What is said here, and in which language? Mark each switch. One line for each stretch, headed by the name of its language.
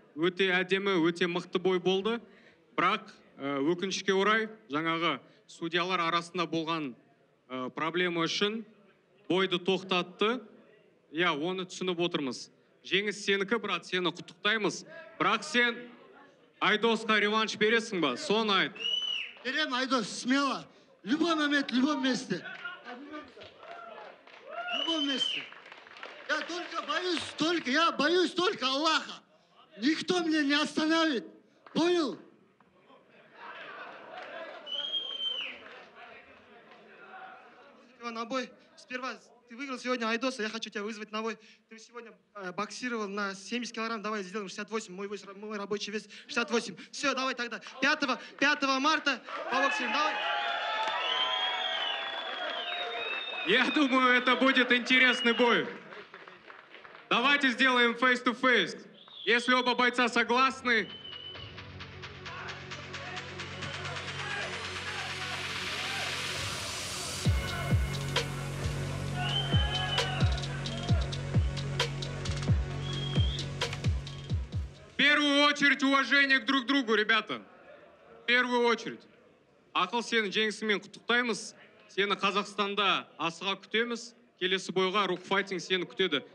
Kazakh: Өте әдемі, өте мықты бой болды. Бірақ өкінішке орай жаңағы судьялар арасында болған проблема үшін бойды тоқтатты. Я, оны түсініп отырмыз. Женіс сенікі, брат, сені құттықтаймыз. Бірақ сен Айдосқа реванш бересің ба? Сон айт. Берем, Айдос, смело.
Russian: Любой момент, любом месте. Любом месте. Я только боюсь, только, я боюсь только Аллаха. Никто меня не остановит. Понял? На бой. Сперва ты выиграл сегодня Айдоса, я хочу тебя вызвать на бой. Ты сегодня боксировал на 70 килограмм, давай сделаем 68, мой рабочий вес 68. Все, давай тогда. 5 марта побоксируем, давай. Я думаю, это будет интересный бой. Давайте сделаем face-to-face. Если оба бойца согласны... В первую очередь уважение к друг другу, ребята. В первую очередь.
Kazakh: Ақыл сені жеңісімен құттықтаймыз. Сені Қазақстанда асыға күтеміз. Келесі бойға рух файтинг сені күтеді.